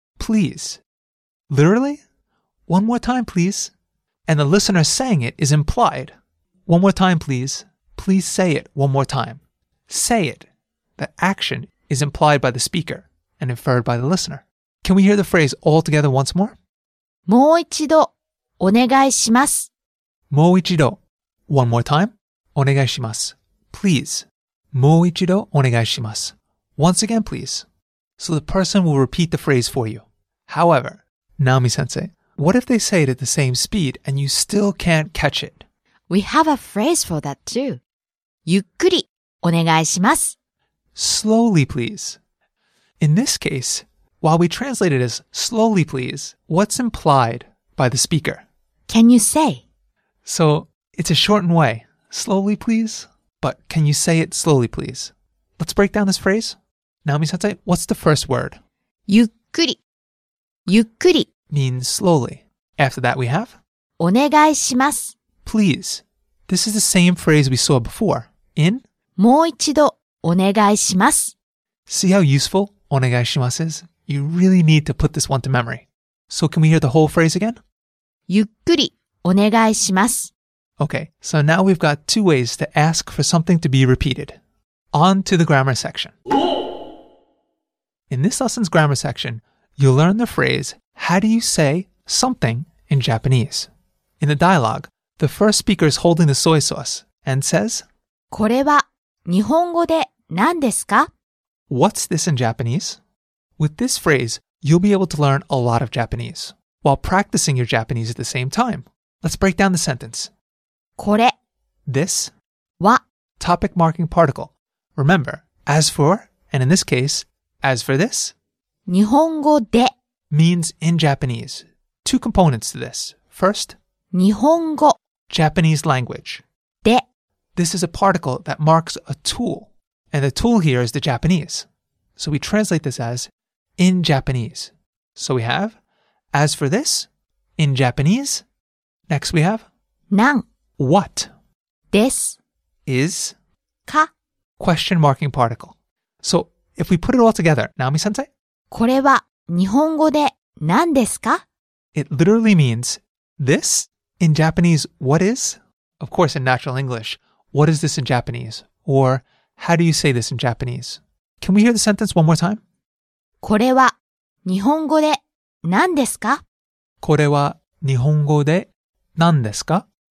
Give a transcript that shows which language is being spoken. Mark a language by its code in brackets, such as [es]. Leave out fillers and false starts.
[en] Please. Literally, one more time, please. And the listener saying it is implied. One more time, please. Please say it one more time. Say it. The action is implied by the speaker and inferred by the listener. Can we hear the phrase all together once more? [ja] もう一度お願いします. もう一度. [en] One more time. [ja] お願いします. [en] Please. [ja] もう一度お願いします. [en] Once again, please. So the person will repeat the phrase for you. However, Nami-sensei, what if they say it at the same speed and you still can't catch it? We have a phrase for that too. [ja] ゆっくりお願いします. [en] Slowly, please. In this case, while we translate it as slowly, please, what's implied by the speaker? Can you say? So it's a shortened way. Slowly, please. But can you say it slowly, please? Let's break down this phrase. Nami-sensei, what's the first word? [ja] ゆっくり。ゆっくり [en] means slowly. After that we have? [ja] お願いします。 [en] Please. This is the same phrase we saw before in? [ja] もう一度お願いします。 [en] See how useful [ja] お願いします [en] is? You really need to put this one to memory. So can we hear the whole phrase again? [ja] ゆっくりお願いします。 [en] Okay, so now we've got two ways to ask for something to be repeated. On to the grammar section. In this lesson's grammar section, you'll learn the phrase, how do you say something in Japanese? In the dialogue, the first speaker is holding the soy sauce and says, [ja] これは日本語で何ですか? [en] What's this in Japanese? With this phrase, you'll be able to learn a lot of Japanese while practicing your Japanese at the same time. Let's break down the sentence. [ja] これ [en] This [ja] は [en] Topic marking particle. Remember, as for, and in this case, as for this, [ja] 日本語で [en] means in Japanese. Two components to this. First, [ja] 日本語 [en] Japanese language. [ja] で [en] This is a particle that marks a tool, and the tool here is the Japanese. So we translate this as in Japanese. So we have, as for this, in Japanese. Next we have, [ja] 何 [en] What? This is [ja] か [en] question marking particle. So if we put it all together, Nami-sensei? [ja] これは日本語で何ですか? [en] It literally means, this, in Japanese, what is? Of course, in natural English, what is this in Japanese? Or, how do you say this in Japanese? Can we hear the sentence one more time? [ja] これは日本語で何ですか? これは日本語で何ですか?